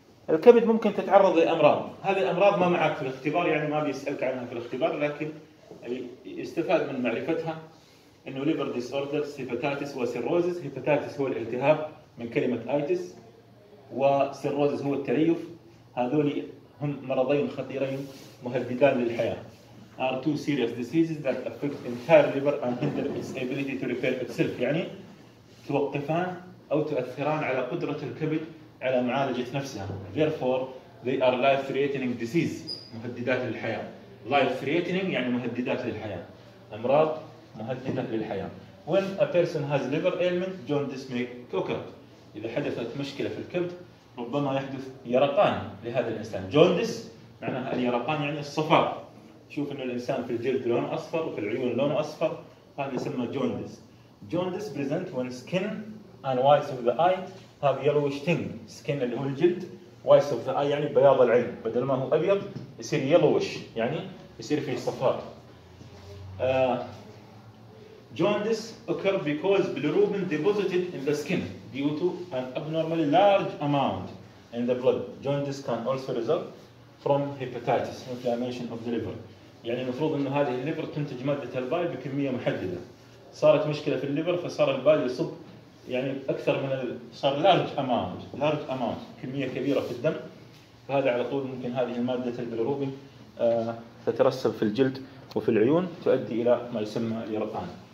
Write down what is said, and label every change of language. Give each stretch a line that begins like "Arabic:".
Arabic: الكبد ممكن تتعرض لأمراض، هذه الأمراض ما معك في الاختبار، يعني ما بيسألك عنها في الاختبار، لكن يستفاد من معرفتها أنه liver disorders, hepatitis وcirrhosis. hepatitis هو الالتهاب من كلمة itis، وcirrhosis هو التليف. هذول هم مرضين خطيرين مهددان للحياة.
English: Are two serious diseases that affect entire liver and hinder its ability to repair itself.
Arabic: يعني توقفان أو تؤثران على قدرة الكبد على معالجة نفسها.
English: Therefore, they are life-threatening diseases.
Arabic: مهددات للحياة. Life-threatening يعني مهددات للحياة. أمراض مهددة للحياة.
English: When a person has liver ailment, jaundice may occur.
Arabic: إذا حدثت مشكلة في الكبد، ربما يحدث يرقان لهذا الإنسان. Jaundice معناها اليرقان، يعني الصفار. شوف إنه الإنسان في الجلد لونه أصفر وفي العيون لونه أصفر، هذا يسمى jaundice.
English: Jaundice present when skin and whites of the eye have yellowish tinge.
Arabic: Skin اللي هو الجلد،
English: whites of the eye
Arabic: يعني بياض العين، بدل ما هو أبيض يصير yellowish، يعني يصير فيه صفار.
English: Jaundice occur because bilirubin deposited in the skin due to an abnormally large amount in the blood. Jaundice can also result from hepatitis, inflammation of the liver.
Arabic: يعني المفروض أن هذه الليفر تنتج مادة البايل بكمية محددة. صارت مشكلة في الليفر فصار البايل يصب يعني أكثر من صار
English: large amount
Arabic: كمية كبيرة في الدم. فهذا على طول ممكن هذه المادة البيلروبين تترسب في الجلد وفي العيون تؤدي إلى ما يسمى اليرقان.